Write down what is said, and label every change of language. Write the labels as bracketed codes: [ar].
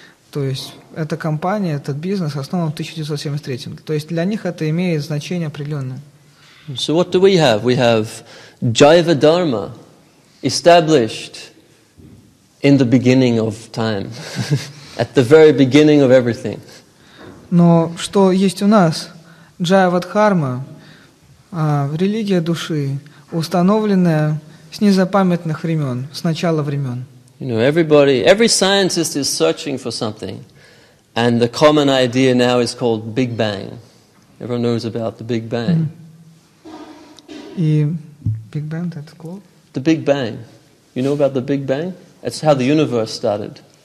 [ru] То есть эта компания, этот бизнес основан в 1973-м. То есть для них это имеет значение определенное. [en] So what do we have? We have Jiva Dharma established in the beginning of time, at the very beginning of everything. [ru] Но что есть у нас? Jiva Dharma, религия души, установленная с незапамятных времен, с начала времен. [en] You know, everybody, every scientist is searching for something, and the common idea now is called Big Bang. Everyone knows about the Big Bang. Mm-hmm. И Big Bang, that's called? The Big Bang. You know about the Big Bang? It's how the universe started.